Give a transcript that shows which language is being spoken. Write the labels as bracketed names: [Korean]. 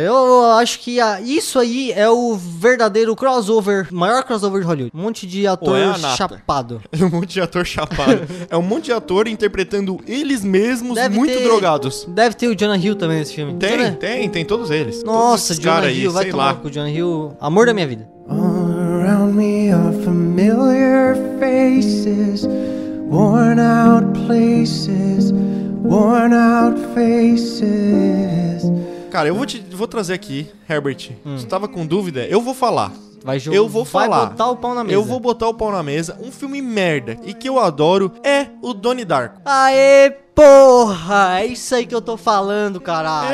[Portuguese] Eu acho que isso aí é o verdadeiro crossover, maior crossover de Hollywood. Um monte de ator chapado. É um monte de ator chapado. É um monte de ator interpretando eles mesmos drogados. Deve ter o Jonah Hill também nesse filme. Tem todos eles. Nossa, todos Jonah Hill, vai tomar com o Jonah Hill. Amor da minha vida. [English] All around me are familiar faces, worn out places, worn out faces. [Portuguese] Cara, eu vou trazer aqui, Herbert. Você tava com dúvida? Eu vou falar. Vai botar o pau na mesa. Eu vou botar o pau na mesa. Um filme merda e que eu adoro é o Donnie Darko. Aê, porra! É isso aí que eu tô falando, caralho.